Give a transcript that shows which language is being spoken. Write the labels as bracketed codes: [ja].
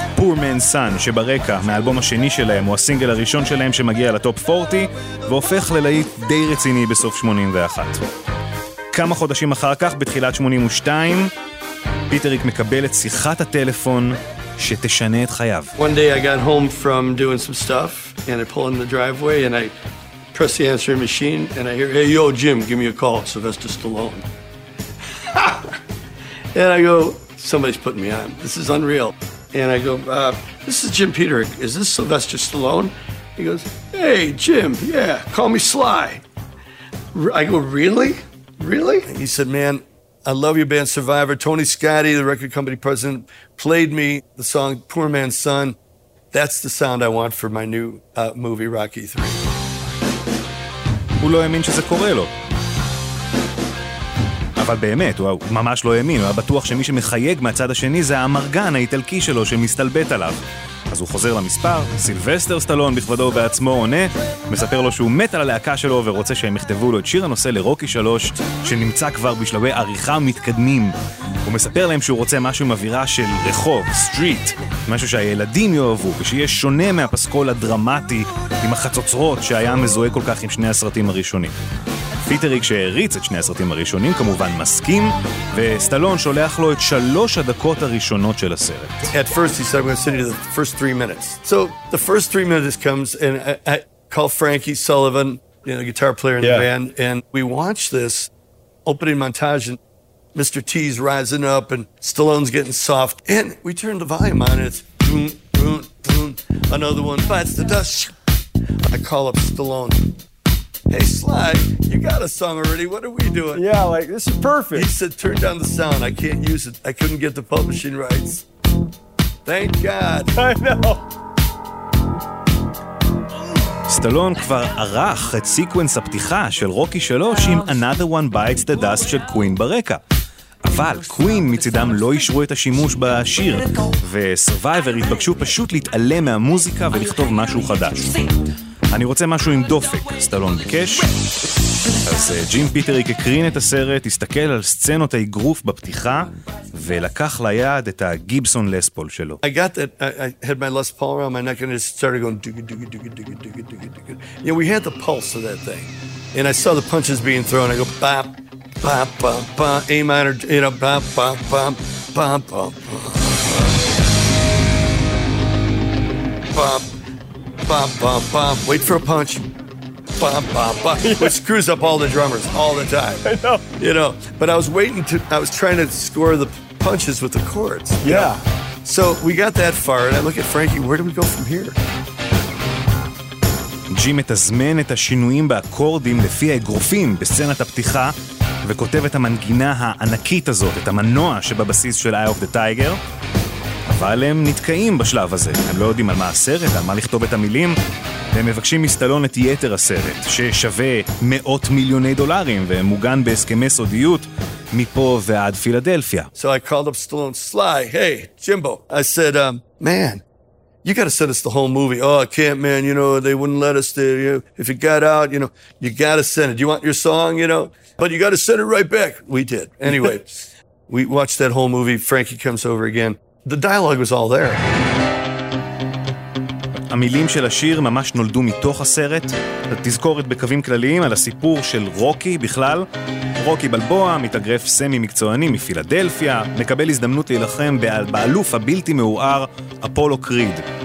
[he] Poor Man's Son שברקע מהאלבום השני שלהם הוא הסינגל הראשון שלהם שמגיע לטופ 40 והופך ללהיט די רציני בסוף 81. כמה חודשים אחר כך, בתחילת 82, פיטריק מקבל את שיחת הטלפון שתשנה את חייו. [en] One day I got home from doing some stuff and I pull in the driveway and I press the answering machine and I hear, hey yo Jim, give me a call, it's Sylvester Stallone. And I go, somebody's putting me on, this is unreal. And I go, this is Jim Peterick, is this Sylvester Stallone? He goes, "Hey, Jim, yeah, call me Sly." I go, "Really? Really?" He said, "Man, I love your band Survivor. Tony Scotti, the record company president, played me the song Poor Man's Son. That's the sound I want for my new movie, Rocky 3. [he] הוא לא האמין שזה קורה לו. אבל באמת, הוא ממש לא האמין. הוא היה בטוח שמי שמחייג מהצד השני זה האמרגן האיטלקי שלו שמסתלבט עליו. אז הוא חוזר למספר, סילבסטר סטאלון בכבודו בעצמו עונה, מספר לו שהוא מת על הלהקה שלו ורוצה שהם יכתבו לו את שיר הנושא לרוקי 3, שנמצא כבר בשלבי עריכה מתקדמים. הוא מספר להם שהוא רוצה משהו עם אווירה של רחוב, סטריט, משהו שהילדים יאהבו, ושיהיה שונה מהפסקול הדרמטי עם החצוצרות שהיה מזוהה כל כך עם שני הסרטים הראשונים. פיטריק שהעריץ את שני הסרטים הראשונים כמובן מסכים, וסטאלון שולח לו את שלוש הדקות הראשונות של הסרט. [en] At first he said I'm going to send you the first 3 minutes. So the first 3 minutes comes and I call Frankie Sullivan, you know, guitar player in the band, and we watch this opening montage and Mr. T's rising up and Stallone's getting soft and we turn the volume on and it's boom boom boom another one bites the dust. I call up Stallone. Hey Sly, you got a song already. What are we doing? Yeah, like this is perfect. He said turn down the sound. I can't use it. I couldn't get the publishing rights. Thank God. I know. [he] סטאלון כבר ערך את סיקוונס הפתיחה של רוקי 3 עם Another One Bites the Dust של קווין ברקע. אבל קווין מצידם לא אישרו את השימוש בשיר, וסרווייבר התבקשו פשוט להתעלם מהמוזיקה ולכתוב משהו חדש. אני רוצה משהו עם דופק, סטאלון ביקש. אז ג'ים פיטריק הקרין את הסרט, הסתכל על סצנות האיגרוף בפתיחה, ולקח ליד את הגיבסון לספול שלו. [en] I got that, I had my Les Paul around my neck and it started going dug dug dug dug dug dug dug. You know, we had the pulse of that thing. And I saw the punches being thrown, I go bop, bop, bop, bop, A minor, you know, bop, bop, bop, bop, bop, bop, bop. Bop, bop, bop, wait for a punch. Bop, bop, bop. Yeah. Which screws up all the drummers all the time. I know. You know, but I was waiting to, I was trying to score the punches with the chords. Yeah. So we got that far, and I look at Frankie, where do we go from here? [he] ג'ים מתזמן את השינויים באקורדים לפי האגרופים בסצנת הפתיחה, וכותב את המנגינה הענקית הזאת, את המנוע שבבסיס של Eye of the Tiger. אבל הם נתקעים בשלב הזה. הם לא יודעים על מה הסרט, על מה לכתוב את המילים. הם מבקשים מסטאלון את יתר הסרט, ששווה מאות מיליוני דולרים, ומוגן בהסכמי סודיות, מפה ועד פילדלפיה. [en] So I called up Stallone, Sly, hey, Jimbo. I said, man, you gotta send us the whole movie. Oh, I can't, man, you know, they wouldn't let us do it. You know, if it got out, you know, you gotta send it. You want your song, you know? But you gotta send it right back. We did. Anyway, we watched that whole movie. Frankie comes over again. The dialogue was all there. [he] המילים של השיר ממש נולדו מתוך הסרט. תזכורת בקווים כלליים על הסיפור של רוקי בכלל. רוקי בלבוע, מתאגרף סמי מקצועני מפילדלפיה, מקבל הזדמנות להילחם באלוף הבלתי מאוער, אפולו קריד.